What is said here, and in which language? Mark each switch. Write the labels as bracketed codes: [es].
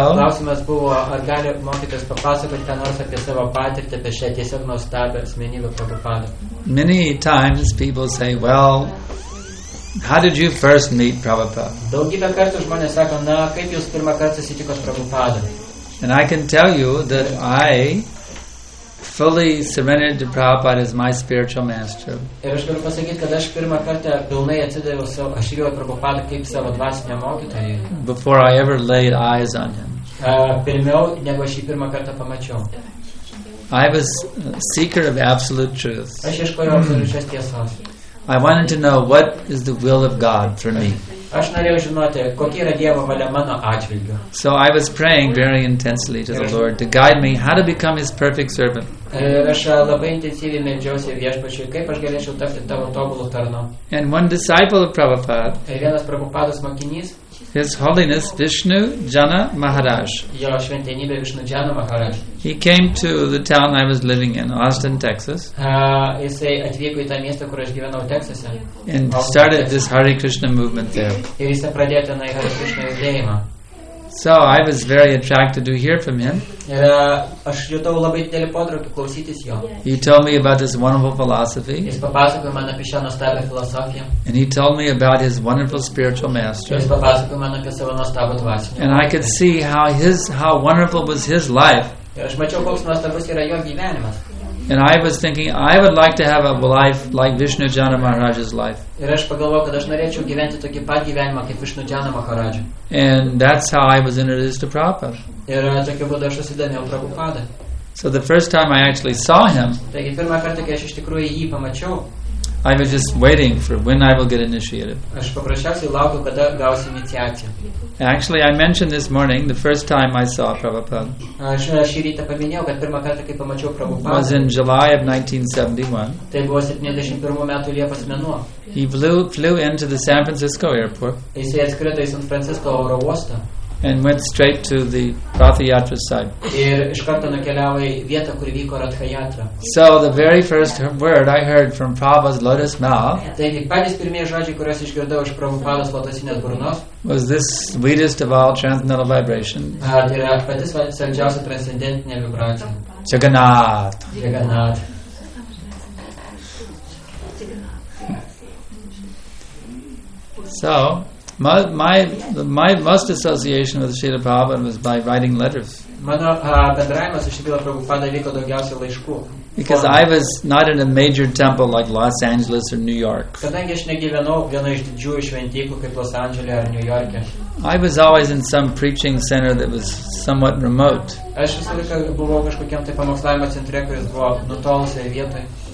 [lt] klausimas buvo, ar gali mokytis papasakoti ką nors apie savo patirtį, apie šią tiesiog nuostabią asmenybę Prabhupada. [en] Many times people say, well, how did you first meet Prabhupada? [lt] Daugybę kartų žmonės sako, na, kaip jūs pirmą kartą susitikot Prabhupada? [en] And I can tell you that I fully surrendered to Prabhupada as my spiritual master. [lt] Ir aš galiu pasakyti, kad aš pirmą kartą pilnai atsidaviau savo, aš jau Prabhupada kaip savo dvasinio mokytojo. [en] Before I ever laid eyes on him. [lt] Pirmiau, negu aš jį pirmą kartą pamačiau. [en] I was a seeker of absolute truth. [lt] Aš ieškojau absoliučios tiesos. [en] I wanted to know what is the will of God for me. [lt] Aš norėjau žinoti, kokia yra Dievo valia mano atžvilgiu. [en] So I was praying very intensely to the Lord to guide me how to become his perfect servant. [lt] Aš labai intensyviai meldžiausi Viešpačiui, kaip aš galėčiau tapti tavo tobulu tarnu. [en] And one disciple of Prabhupada. [lt] Ir vienas Prabhupados mokinys. [en] His Holiness Vishnu Jana Maharaj. [lt] Jo šventenybė Vishnu Jana Maharaj. [en] He came to the town I was living in, Austin, Texas. [lt] Jisai atvyko į tą miestą, kur aš gyvenau, Teksase. [en] And started this Hare Krishna movement there. [lt] Ir jisai pradėjo tenai Hare Krishna judėjimą. [en] So I was very attracted to hear from him. [lt] Ir aš jutau labai didelį potraukį klausytis jo. [en] He told me about his wonderful philosophy. [lt] Jis papasakojo man apie šią nuostabią filosofiją. [en] And he told me about his wonderful spiritual master. [lt] Jis papasakojo man apie savo nuostabų dvasinį. [en] And I could see how wonderful was his life. [lt] Ir aš mačiau, koks nuostabus yra jo gyvenimas. [en] And I was thinking, I would like to have a life like Vishnu Jana Maharaj's life. [lt] Ir aš pagalvojau, kad aš norėčiau gyventi tokį pat gyvenimą kaip Vishnu Jana Maharaj. [en] And that's how I was introduced to Prabhupada. [lt] Ir tokiu būdu aš susidomėjau Prabhupada. [en] So the first time I actually saw him, [lt] taigi pirmą kartą, kai aš iš tikrųjų jį pamačiau, [en] I was just waiting for when I will get initiated. [lt] Aš paprasčiausiai laukiu, kada gausiu iniciaciją. [en] Actually, I mentioned this morning the first time I saw Prabhupada. [lt] Aš šį rytą paminėjau, kad pirmą kartą, kai pamačiau Prabhupada. [en] Was in July of 1971. [lt] Tai buvo 71 metų Liepos mėnuo. [en] He flew into the San Francisco airport. [lt] Jisai atskrido į San Francisco oro uostą. [en] And went straight to the Ratha Yatra site. [lt] Ir iš karto nukeliavo į vietą, kur vyko Ratha Yatra. [en] So the very first word I heard from Prabhupada's lotus mouth. [lt] Taigi patys pirmieji žodžiai, kuriuos išgirdau iš Prabhupados lotosinės burnos. [en] Was this sweetest of all transcendental vibrations? [lt] Tai yra pati saldžiausia transcendentinė vibracija. Jagannath. Jagannath. [en] So. My most association with Srila Prabhupada was by writing letters. [lt] Mano bendravimas su Srila Prabhupada vyko daugiausiai laiškų. [en] Because I was not in a major temple like Los Angeles or New York. [lt] Kadangi aš negyvenau vieno iš didžiųjų šventyklų kaip Los Angeles ar New York'e. [en] I was always in some preaching center that was somewhat remote. [lt] Aš visą laiką buvau kažkokiam tai pamokslavimo centre, kuris buvo nutolusioje vietoje.